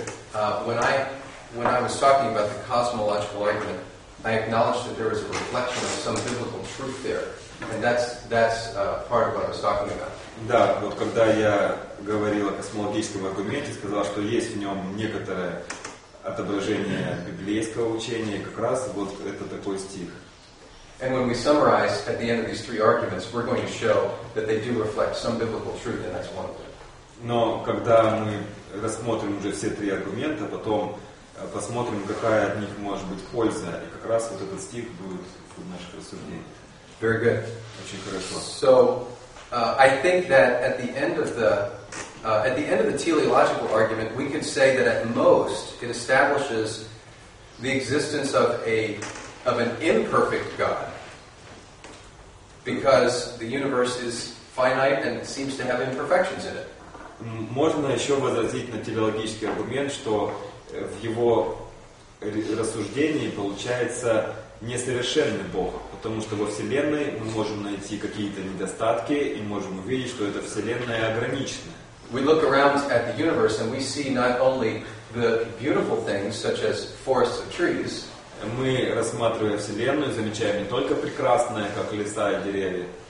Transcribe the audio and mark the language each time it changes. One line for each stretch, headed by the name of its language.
English: When I was talking about the cosmological argument, I acknowledged that there was a reflection of some biblical truth there, and that's part of what I was talking about.
Russian: Да, вот когда я говорил о космологическом аргументе, сказал, что есть в нем некоторое отображение библейского учения, как раз вот это такой стих.
English: And when we summarize at the end of these three arguments, we're going to show that they do reflect some biblical truth, and that's one of them.
Russian: Но когда мы рассмотрим уже все три аргумента, потом посмотрим, какая от них может быть польза, и как раз вот этот стих будет в наших рассуждениях.
English: Very good.
Russian: Очень хорошо.
English: So, I think that at the end of the teleological argument, we could say that at most it establishes the existence of an imperfect God, because the universe is finite and seems to have imperfections in it.
Russian: Можно еще возразить на теологический аргумент, что в его рассуждении получается несовершенный Бог, потому что во Вселенной мы можем найти какие-то недостатки и можем увидеть, что эта Вселенная ограничена.
English: We look around at the universe and we see not only the beautiful things, such as forests of trees.
Russian: Мы рассматривая Вселенную, замечаем не только прекрасное, как леса и деревья.